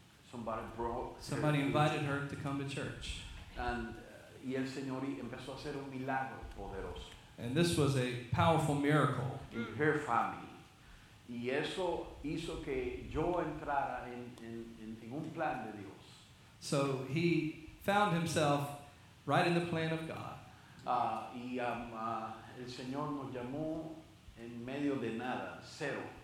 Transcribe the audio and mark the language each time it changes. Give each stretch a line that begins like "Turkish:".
English: Somebody invited her to come to church.
Spanish: And y el Señor empezó a hacer un milagro poderoso.
English: And this was a powerful miracle. In her family.
Spanish: Y eso hizo que yo entrara en un plan de Dios.
English: So he found himself right in the plan of God.
Spanish: El Señor nos llamó en medio de nada, cero.